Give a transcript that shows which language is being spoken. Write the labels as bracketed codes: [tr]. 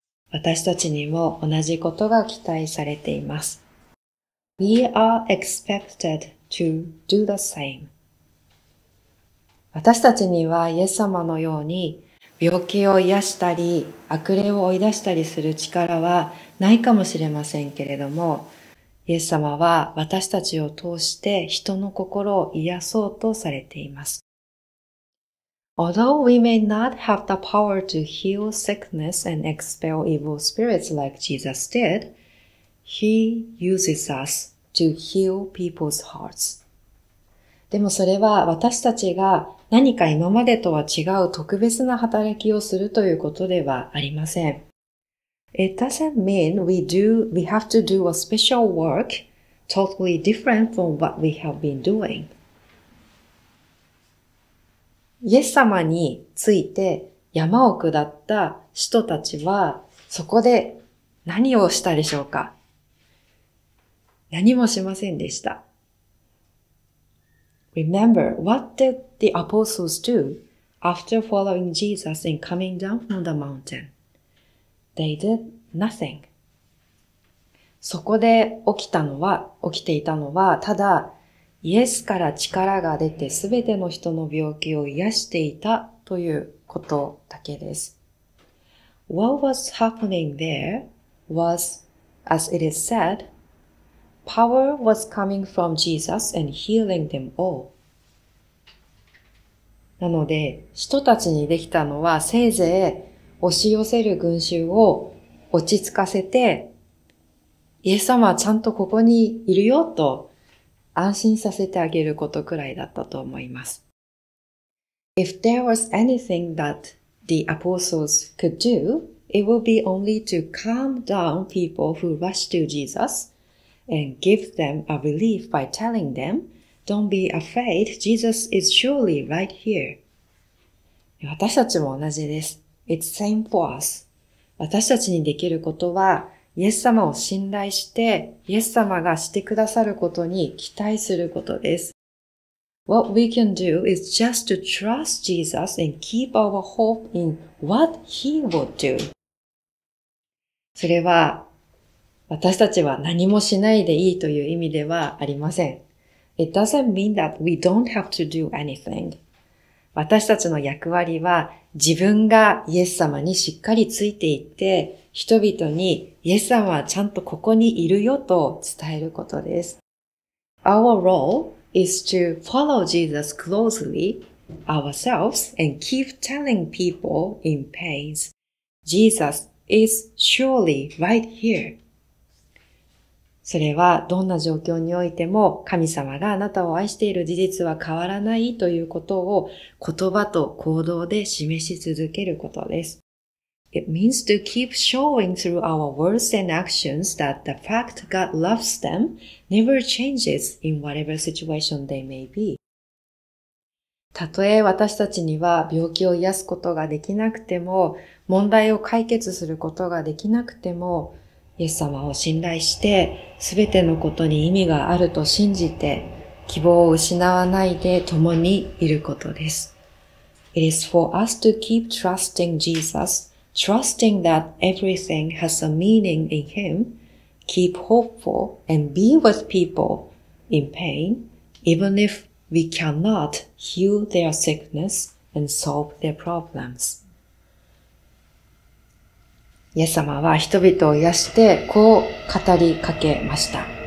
[ja] 私たちにも同じことが期待されています。 [en] We are expected to do the same. [ja] 私たちにはイエス様のように病気を癒したり悪霊を追い出したりする力はないかもしれませんけれども、イエス様は私たちを通して人の心を癒そうとされています。 [en] Although we may not have the power to heal sickness and expel evil spirits like Jesus did,He uses us to heal people's hearts. [ja] でもそれは私たちが何か今までとは違う特別な働きをするということではありません。 [en] It doesn't mean we have to do a special work totally different from what we have been doing. [ja] イエス様について山を下った使徒たちはそこで何をしたでしょうか? 何もしませんでした。 [en] Remember, what did the apostles do after following Jesus and coming down from the mountain? They did nothing. [ja] そこで起きていたのは、ただ、イエスから力が出てすべての人の病気を癒していたということだけです。 [en] What was happening there was, as it is said,Power was coming from Jesus and healing them all. [ja] なので、使徒たちにできたのは、せいぜい押し寄せる群衆を落ち着かせて、イエス様はちゃんとここにいるよと安心させてあげることくらいだったと思います。 [en] If there was anything that the apostles could do, it would be only to calm down people who rushed to Jesus and give them a relief by telling them, Don't be afraid, Jesus is surely right here. [ja] 私たちも同じです。 [en] It's same for us. [ja] 私たちにできることは、イエス様を信頼して、イエス様がしてくださることに期待することです。 [en] What we can do is just to trust Jesus and keep our hope in what he will do. [ja] それは、私たちは何もしないでいいという意味ではありません。 [en] It doesn't mean that we don't have to do anything. [ja] 私たちの役割は、自分がイエス様にしっかりついていって、人々にイエス様はちゃんとここにいるよと伝えることです。 [en] Our role is to follow Jesus closely ourselves and keep telling people in pains, Jesus is surely right here. [ja] それはどんな状況においても神様があなたを愛している事実は変わらないということを言葉と行動で示し続けることです。 [en] It means to keep showing through our words and actions that the fact God loves them never changes in whatever situation they may be. [ja] たとえ私たちには病気を癒すことができなくても、問題を解決することができなくても、イエス様を信頼して、すべてのことに意味があると信じて、希望を失わないで共にいることです。 [en] It is for us to keep trusting Jesus, trusting that everything has a meaning in Him, keep hopeful and be with people in pain, even if we cannot heal their sickness and solve their problems. [ja] イエス様は人々を癒してこう語りかけました。